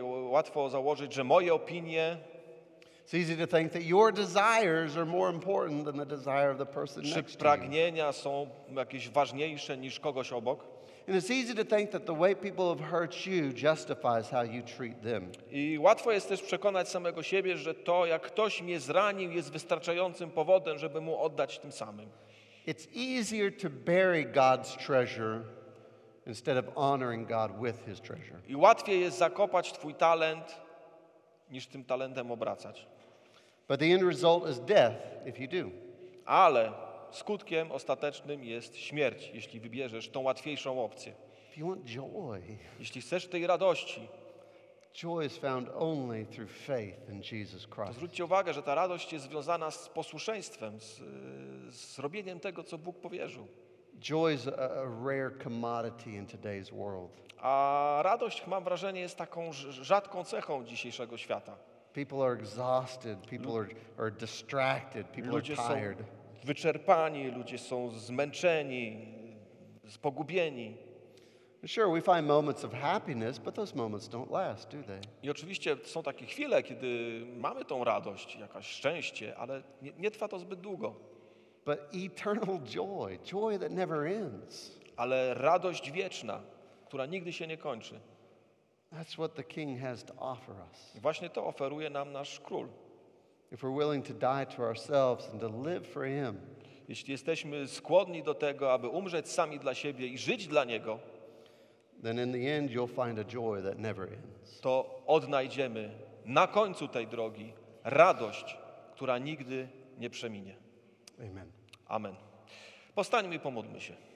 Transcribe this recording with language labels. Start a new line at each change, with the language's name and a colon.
Polish: Łatwo założyć, że moje opinie.
English: It's easy to think that your desires are more important than the desire of the person next to you.
Polish: Czy pragnienia są jakieś ważniejsze niż kogoś obok?
English: And it's easy to think that the way people have hurt you justifies how you treat them.
Polish: I łatwo jest też przekonać samego siebie, że to, jak ktoś mnie zranił, jest wystarczającym powodem, żeby mu oddać tym samym.
English: It's easier to bury God's treasure instead of honoring God with his treasure.
Polish: I łatwiej jest zakopać twój talent, niż tym talentem obracać.
English: But the end result is death if you do.
Polish: Ale skutkiem ostatecznym jest śmierć, jeśli wybierzesz tą łatwiejszą opcję.
English: If you want joy,
Polish: jeśli chcesz tej radości,
English: joy is found only through faith in Jesus Christ.
Polish: Zwróćcie uwagę, że ta radość jest związana z posłuszeństwem, z robieniem tego, co Bóg powierzył.
English: Joy is a rare commodity in today's world.
Polish: A radość, mam wrażenie, jest taką rzadką cechą dzisiejszego świata.
English: People are exhausted, people are distracted, people
Polish: ludzie
English: are tired.
Polish: Wyczerpani, ludzie są zmęczeni, pogubieni.
English: Sure, we find moments of happiness, but those moments don't last, do they?
Polish: I oczywiście są takie chwile, kiedy mamy tą radość, jakaś szczęście, ale nie trwa to zbyt długo.
English: But eternal joy, joy that never ends.
Polish: Ale radość wieczna, która nigdy się nie kończy.
English: That's what the King has to offer us.
Polish: I właśnie to oferuje nam nasz król.
English: If we're willing to die to ourselves and to live for him.
Polish: Jeśli jesteśmy skłonni do tego, aby umrzeć sami dla siebie i żyć dla niego,
English: then in the end you'll find a joy that never ends.
Polish: To odnajdziemy na końcu tej drogi radość, która nigdy nie przeminie.
English: Amen.
Polish: Amen. Postańmy i pomódlmy się.